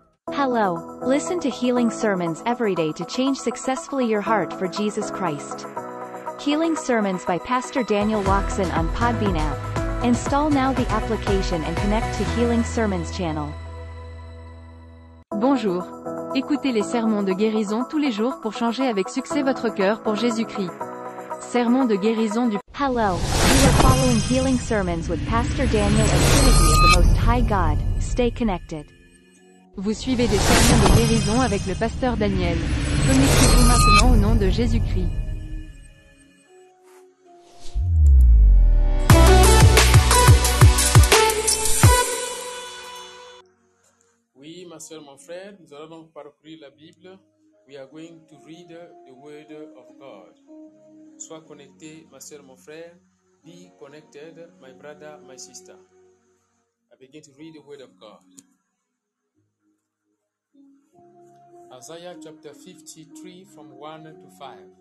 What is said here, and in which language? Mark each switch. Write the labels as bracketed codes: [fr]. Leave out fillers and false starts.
[en] Hello, listen to healing sermons every day to change successfully your heart for Jesus Christ. Healing sermons by Pastor Daniel Oukson on Podbean app. Install now the application and connect to Healing Sermons channel. [fr] Bonjour. Écoutez les sermons de guérison tous les jours pour changer avec succès votre cœur pour Jésus-Christ. Sermon de guérison du... [en] Hello, you are following Healing Sermons with Pastor Daniel of Trinity of the Most High God. Stay connected. [fr] Vous suivez des sermons de guérison avec le pasteur Daniel. Connectez-vous maintenant au nom de Jésus-Christ. Oui, ma soeur, mon frère, nous allons donc parcourir la Bible. [en] We are going to read the Word of God. [fr] Sois connecté, ma soeur, mon frère. [en] Be connected, my brother, my sister. I begin to read the Word of God. Isaiah chapter 53 from 1 to 5.